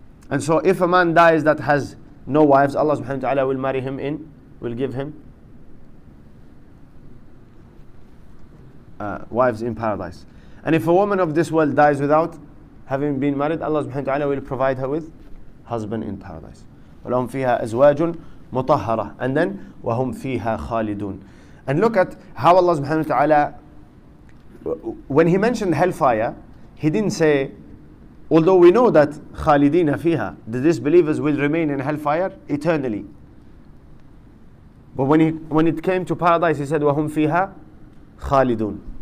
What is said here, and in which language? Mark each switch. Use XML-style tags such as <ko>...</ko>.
<en>And so if a man dies that has no wives, Allah subhanahu wa ta'ala will marry him in, will give him wives in paradise. And if a woman of this world dies without having been married, Allah subhanahu wa ta'ala will provide her with husband in paradise.</en> <ar>وَلَهُمْ فِيهَا أَزْوَاجٌ مُطَهَّرَةٌ.</ar> <en>And then,</en> <ar>وَهُمْ فِيهَا خَالِدُونَ.</ar> <en>And look at how Allah subhanahu wa ta'ala, when He mentioned hellfire, He didn't say, although we know that</en> <ar>خالدين فيها,</ar> <en>the disbelievers will remain in hellfire eternally. But when it came to paradise, He said,</en> <ar>وَهُمْ فِيهَا خَالِدُونَ.</ar>